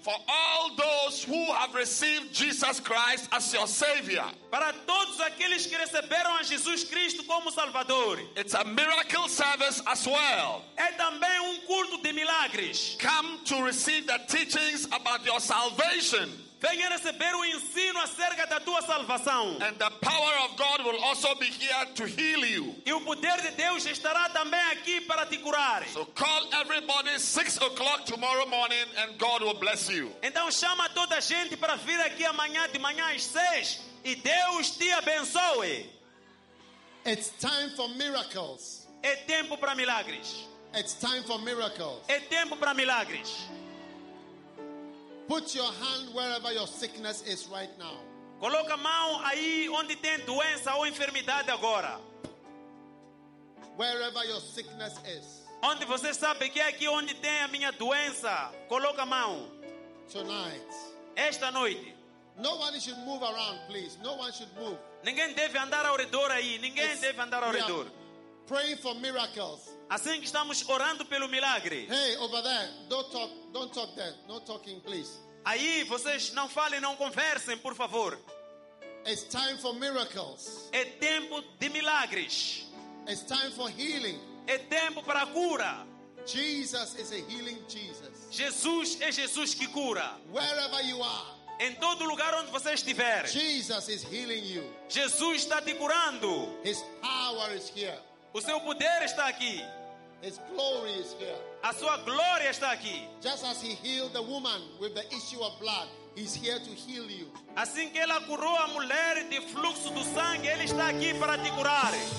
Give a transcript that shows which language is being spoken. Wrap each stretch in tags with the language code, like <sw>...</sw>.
<en>For all those who have received Jesus Christ as your Savior.</en> <pt>Para todos aqueles que receberam a Jesus Cristo como Salvador.</pt> <en>It's a miracle service as well.</en> <pt>É também culto de milagres.</pt> <en>Come to receive the teachings about your salvation.</en> <pt>Venha receber o ensino acerca da tua salvação.</pt> <en>And the power of God will also be here to heal you.</en> <pt>E o poder de Deus estará também aqui para te curar.</pt> <en>So call everybody 6 o'clock tomorrow morning and God will bless you.</en> <pt>Então chama toda a gente para vir aqui amanhã de manhã às 6 e Deus te abençoe.</pt> <en>It's time for miracles.</en> <pt>É tempo para milagres.</pt> <en>It's time for miracles.</en> <pt>É tempo para milagres.</pt> <en>Put your hand wherever your sickness is right now.</en> <pt>Coloca a mão aí onde tem doença ou enfermidade agora.</pt> <en>Wherever your sickness is.</en> <pt>Onde você sabe que é aqui onde tem a minha doença, coloca a mão.</pt> <en>Tonight.</en> <pt>Esta noite.</pt> <en>No one should move around, please. No one should move.</en> <pt>Ninguém deve andar ao redor aí. Ninguém deve andar ao redor.</pt> <en>Pray for miracles.</en> <pt>Assim que estamos orando pelo milagre.</pt> <en>Hey, over there, don't talk there. No talking, please.</en> <pt>Aí, vocês não falem, não conversem, por favor.</pt> <en>It's time for miracles.</en> <pt>É tempo de milagres.</pt> <en>It's time for healing.</en> <pt>É tempo para cura.</pt> <en>Jesus is a healing Jesus.</en> <pt>Jesus é Jesus que cura.</pt> <en>Wherever you are.</en> <pt>Em todo lugar onde você estiver.</pt> <en>Jesus is healing you.</en> <pt>Jesus está te curando.</pt> <en>His power is here.</en> <pt>O seu poder está aqui.</pt> <en>His glory is here.</en> <pt>A sua glória está aqui.</pt> <en>Just as he healed the woman with the issue of blood, he's here to heal you.</en> <pt>Assim que ele curou a mulher de fluxo do sangue, ele está aqui para te curar.</pt>